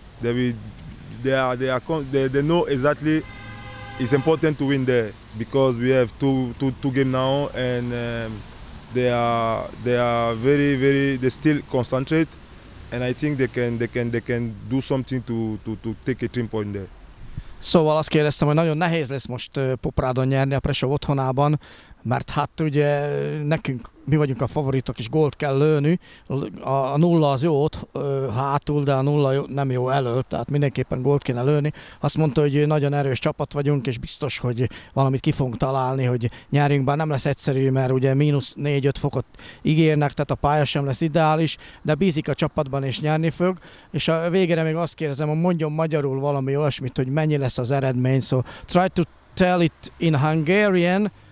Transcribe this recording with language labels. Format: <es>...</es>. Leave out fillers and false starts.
<en>That we they know exactly it's important to win there, because we have two games now, and they are very, very, they still concentrate, and I think they can do something to take a 3 point there.</en> <hu>Szóval azt kérdeztem, hogy nagyon nehéz lesz most Poprádon nyerni a Preshov otthonában, mert hát ugye nekünk, mi vagyunk a favoritok, és gólt kell lőni. A nulla az jó ott hátul, de a nulla nem jó elől, tehát mindenképpen gólt kéne lőni. Azt mondta, hogy nagyon erős csapat vagyunk, és biztos, hogy valamit ki fogunk találni, hogy nyerjünk, bár nem lesz egyszerű, mert ugye -4-5 fokot ígérnek, tehát a pálya sem lesz ideális, de bízik a csapatban, és nyerni fog. És a végére még azt kérdezem, hogy mondjon magyarul valami olyasmit, hogy mennyi lesz az eredmény.</hu> <en>So try to tell it in Hungarian.</en>